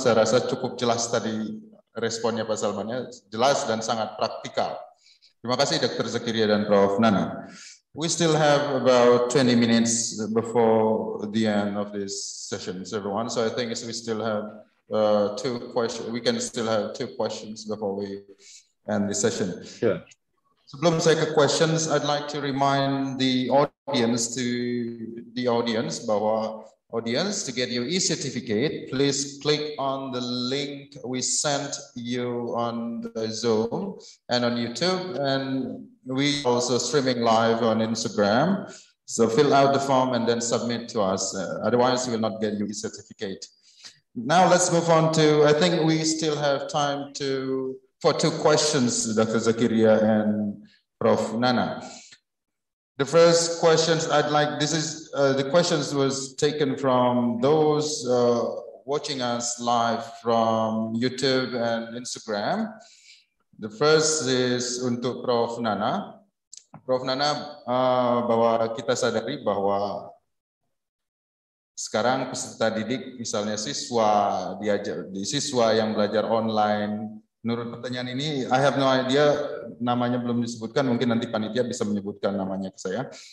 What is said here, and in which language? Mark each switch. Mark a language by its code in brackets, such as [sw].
[id] Saya rasa cukup jelas tadi responnya Pak Salmannya, jelas dan sangat praktikal. Terima kasih Dr. Zakaria dan Prof. Nana. [en] We still have about 20 minutes before the end of this session, everyone. So I think we still have two questions. We can still have two questions before we end the session. Sure. [id] Sebelum saya ke [en] questions, I'd like to remind the audience [id] bahwa [en] audience, to get your e-certificate, please click on the link we sent you on the Zoom and on YouTube, and we also streaming live on Instagram. So fill out the form and then submit to us. Otherwise, you will not get your e-certificate. Now let's move on to, I think we still have time for two questions, Dr. Zakaria and Prof. Nana. The first questions I'd like, this is the questions was taken from those watching us live from YouTube and Instagram. The first is [id] untuk [en] Prof. Nana. Prof. [id] Nana, bahwa kita sadari bahwa sekarang peserta didik, misalnya siswa diajar, di siswa yang belajar online. Menurut pertanyaan ini, [en] I have no idea, [id] namanya belum disebutkan, mungkin nanti panitia bisa menyebutkan namanya ke saya.